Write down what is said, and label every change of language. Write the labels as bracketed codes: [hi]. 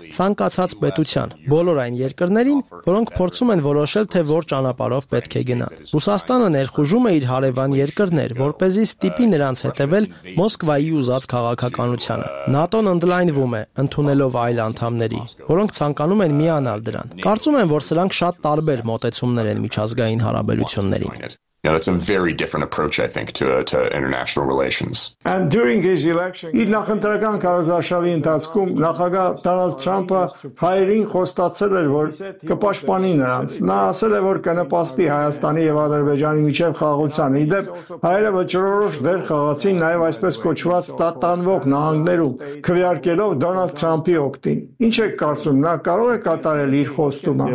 [hy] ցանկացած պետության, բոլոր այն երկրներին, որոնք փորձում են որոշել, թե որ ճանապարհով պետք է գնան։ Ռուսաստանը ներխուժում է իր հարևան երկրներ, որպեսզի ստիպի նրանց հետևել Մոսկվայի ուզած քաղաքականությանը։ ՆԱՏՕ-ն ընդլայնվում է, ընդունելով այլ անդամների, որոնք ցանկանում են միանալ դրան։ Կարծում եմ, որ սրանք շատ տարբեր մոտեցումներ են միջազգային հարաբերություններին։ [en] Yeah, that's a very different approach, I think, to international relations. And during his election, [hy] իր նախընտրական կարոզարշավի ընթացքում նախագահ Դոնալդ Թրամփը հայերին խոստացել էր, որ կպաշտպանի նրանց։ Նա ասել է, որ կնպաստի Հայաստանի եւ Ադրբեջանի միջև խաղաղության։ Ի դեպ, հայերը վճռորոշ դեր խաղացին նաեւ այսպես կոչված տատանվող նահանգներում, քվեարկելով Դոնալդ Թրամփի օգտին։ Ինչ եք կարծում, նա կարող է կատարել իր խոստումը?